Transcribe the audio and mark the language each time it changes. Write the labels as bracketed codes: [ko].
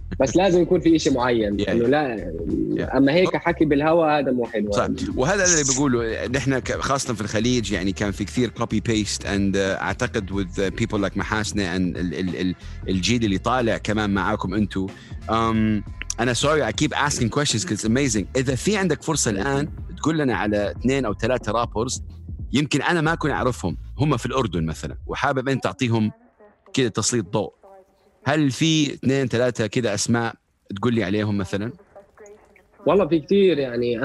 [ar] بس لازم يكون في إشي معين yeah. إنه لا yeah. أما هيك حكي بالهواء هذا مو حلو صح. وهذا اللي بقوله نحن خاصة في الخليج يعني كان في كثير copy paste and أعتقد [en] with people like [ar] محاسنة and الجيل اللي طالع كمان معاكم أنتو. [en] أنا sorry I keep asking questions because it's amazing. [ar] إذا في عندك فرصة الآن تقول لنا على 2 أو 3 رابرز يمكن أنا ما كنت أعرفهم هم في الأردن مثلا وحابب أن تعطيهم كده تسليط ضوء, هل في 2 3 كده أسماء تقول لي عليهم مثلا؟ والله في كتير يعني.